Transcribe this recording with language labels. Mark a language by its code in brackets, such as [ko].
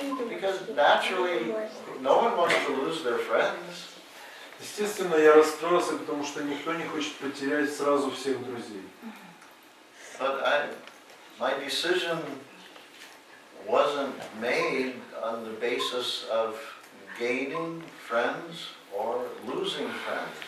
[en] Because naturally, no one wants to lose their friends. [ru] Естественно, я расстроился, потому что никто не хочет потерять сразу всех друзей. [en] But my decision wasn't made on the basis of gaining friends or losing friends.